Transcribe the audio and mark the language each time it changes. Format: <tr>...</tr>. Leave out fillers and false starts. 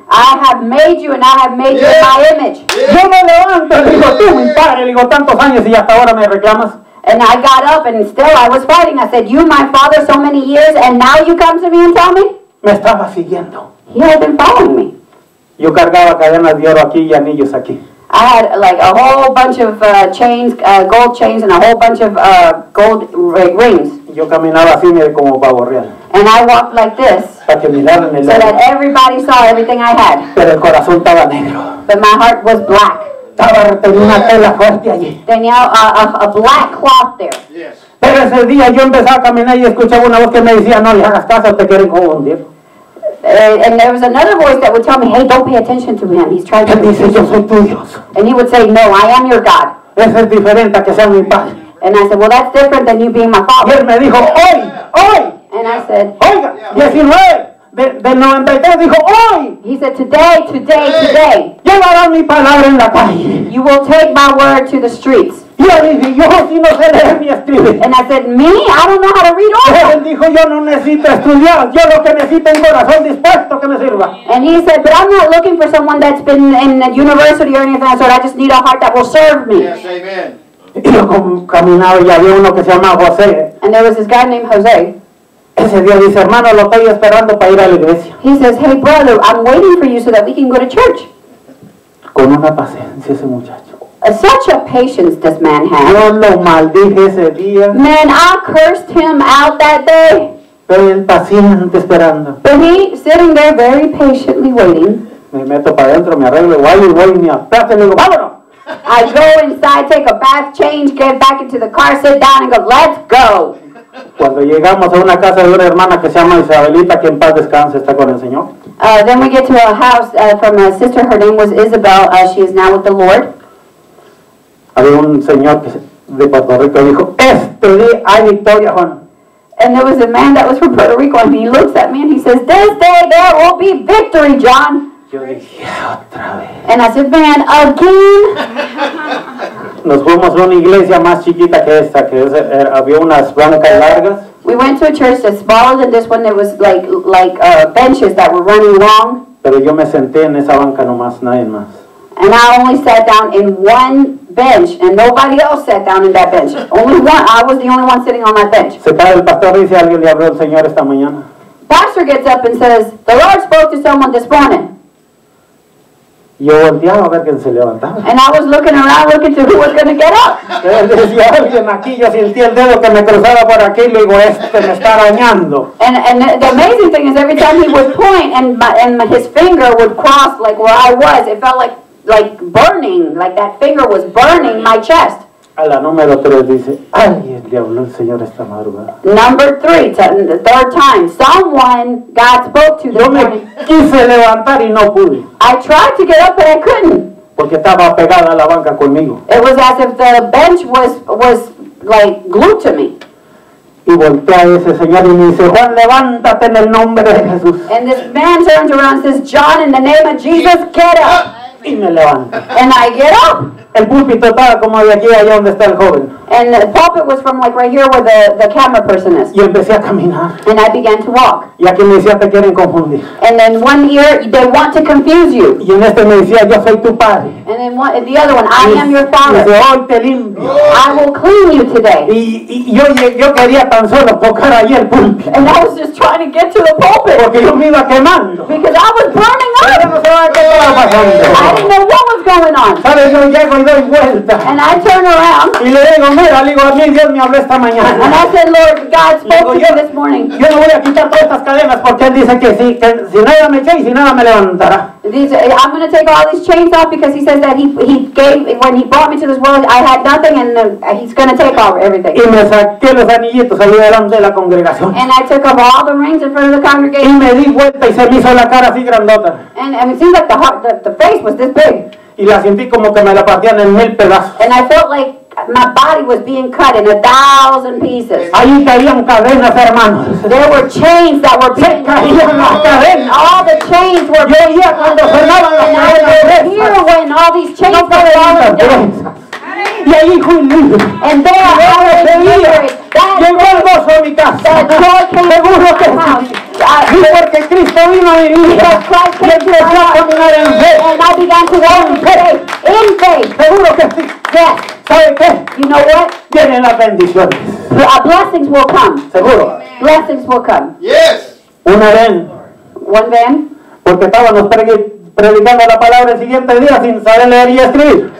<en>I have made you and I have made you my image.</en> <es>Yo me levanto, digo, tú mi padre, digo, tantos años y hasta ahora me reclamas.</es> <en>And I got up and still I was fighting. I said, you my father so many years and now you come to me and tell me?</en> <es>Me estaba siguiendo.</es> <en>He had been following me.</en> <es>Yo cargaba cadenas de oro aquí y anillos aquí.</es> <en>I had like a whole bunch of chains, gold chains and a whole bunch of gold rings.</en> <es>Yo caminaba así, mire, como pavo real.</es> <en>And I walked like this.</en> <es>Para que miraran el</es> <en>so that everybody saw everything I had.</en> <es>Pero el corazón estaba negro.</es> <en>But my heart was black.</en> <es>Tenía una tela fuerte allí. Tenía</es> <en>a black cloth there. Yes.</en> <es>Pero ese día yo empezaba a caminar y escuchaba una voz que me decía, no le hagas caso, te quieren confundir.</es> <en>And there was another voice that would tell me, hey, don't pay attention to him. He's trying to.</en> <es>Él dice, yo soy tu Dios.</es> <en>And he would say, no, I am your God.</en> <es>Eso es diferente a que sea mi padre.</es> <en>And I said, well, that's different than you being my father.</en> <es>Y él me dijo, hoy, hoy.</es> <en>And I said,</en> <es>oiga, 19 de 93 dijo, hoy.</es> <en>He said, today, today, today.</en> <es>Llevará mi palabra en la calle.</es> <en>You will take my word to the streets.</en> <es>Y él dice, yo sí no sé leer ni escribir.</es> <en>And I said, me? I don't know how to read all.</en> <es>Él dijo, yo no necesito estudiar. Yo lo que necesito es un corazón dispuesto que me sirva.</es> <en>And he said, but I'm not looking for someone that's been in a university or anything. So I just need a heart that will serve me. Yes, amen.</en> <es>Y yo caminaba y había uno que se llamaba José.</es> <en>And there was this guy named Jose.</en> <es>Ese día dice, hermano, lo estoy esperando para ir a la iglesia.</es> <en>He says, hey brother, I'm waiting for you so that we can go to church.</en> <es>Con una paciencia ese muchacho.</es> <en>Such a patience this man had.</en> <es>Yo lo maldije ese día.</es> <en>Man, I cursed him out that day.</en> <es>Pero él paciente esperando.</es> <en>But he sitting there very patiently waiting.</en> <es>Me meto para adentro, me arreglo, voy y voy y me aplazo y digo, vámonos.</es> <en>I go inside, take a bath, change, get back into the car, sit down, and go, let's go.</en> <es>Cuando llegamos a una casa de una hermana que se llama Isabelita, que en paz descanse, está con el Señor.</es> <en>Then we get to a house from a sister, her name was Isabel, she is now with the Lord.</en> <es>Había un señor de Puerto Rico, dijo, este día hay victoria, Juan.</es> <en>And there was a man that was from Puerto Rico, and he looks at me and he says, this day there will be victory, John.</en> <es>Yo dije, otra vez.</es> <en>And I said, man, again.</en> <es>Nos fuimos a una iglesia más chiquita que esta, que es, había unas bancas largas.</es> <en>We went to a church that's smaller than this one. There was like benches that were running long. Pero yo me senté en esa banca nomás, nadie más. And I only sat down in one bench, and nobody else sat down in that bench. Only one. I was the only one sitting on that bench.</en> <es>Se para el pastor y dice, alguien le habló al Señor esta mañana.</es> <en>Pastor gets up and says, the Lord spoke to someone this morning.</en> <es>Yo volteaba a ver quién se levantaba.</es> <en>And I was looking around looking to who was going to get up.</en> <es>Decía alguien aquí, yo sentí el dedo que me cruzaba por aquí, le digo, este me está arañando.</es> <en>And the amazing thing is every time he would point and his finger would cross like where I was, it felt like burning, like that finger was burning my chest.</en> <es>A la número tres dice, alguien le habló el Señor esta madrugada.</es> <en>Number three, third time, someone God spoke to this morning.</en> <es>Yo me quise levantar y no pude.</es> <en>I tried to get up, but I couldn't.</en> <es>Porque estaba pegada a la banca conmigo.</es> <en>It was as if the bench was like glued to me.</en> <es>Y volteé a ese señor y me dice, Juan, levántate en el nombre de Jesús.</es> <en>And this man turns around and says, John, in the name of Jesus, get up.</en> <es>Y me levanto.</es> <en>And I get up.</en> <es>El púlpito estaba como de aquí allá donde está el joven.</es> <en>And the pulpit was from like right here where the camera person is.</en> <es>Y empecé a caminar.</es> <en>And I began to walk.</en> <es>Y aquí me decía, te quieren confundir.</es> <en>And then one ear, they want to confuse you.</en> <es>Y en este me decía, yo soy tu padre.</es> <en>And then one, the other one, I am your father.</en> <es>Y dice, hoy te limpio.</es> <en>I will clean you today.</en> <es>Y yo quería tan solo tocar ahí el púlpito.</es> <en>And I was just trying to get to the pulpit.</en> <es>Porque yo me iba quemando.</es> <en>Because I was burning up.</en> <es>Y yo no sabía qué estaba pasando.</es> <en>I didn't know what was going on.</en> <es>Sabes, yo llego y doy vuelta.</es> <en>And I turn around.</en> <es>Y le digo, mira, le digo, a mí Dios me habló esta mañana.</es> <en>And I said, Lord, God spoke to me this morning.</en> <es>Yo no voy a quitar todas estas cadenas porque él dice que si nada me eché y si nada me levantará.</es> <en>I'm going to take all these chains off because he says that he gave, when he brought me to this world, I had nothing and he's going to take off everything.</en> <es>Y me saqué los anillitos ahí delante de la congregación.</es> <en>And I took off all the rings in front of the congregation.</en> <es>Y me di vuelta y se me hizo la cara así grandota.</es> <en>And it seemed like the face was this big.</en> <es>Y la sentí como que me la partían en mil pedazos.</es> <en>And I felt like my body was being cut in 1,000 pieces.</en> <es>Ahí caían cadenas, hermanos.</es> <en>There were chains that were being cut. All the chains were being cut. Here when all these chains no were falling down.</en> <es>Y ahí fui libre.</es> <en>And there</en> <es>y</es> <en>I was</en> <es>libre. Llegó a mi casa. Seguro que sí. Y porque Cristo vino a mi vida. Y empezó a caminar en fe.</es> <en>And I began to walk in faith. In faith.</en> <es>Seguro que sí.</es> <en>Yes.</en> <es>¿Sabe qué?</es> <en>You know what?</en> <es>Vienen las bendiciones.</es> <en>Our blessings will come.</en> <es>Seguro.</es> <en>Amen. Blessings will come. Yes.</en> <es>Una vez.</es> <en>One then.</en> <es>Porque estábamos predicando la palabra el siguiente día sin saber leer y escribir.</es>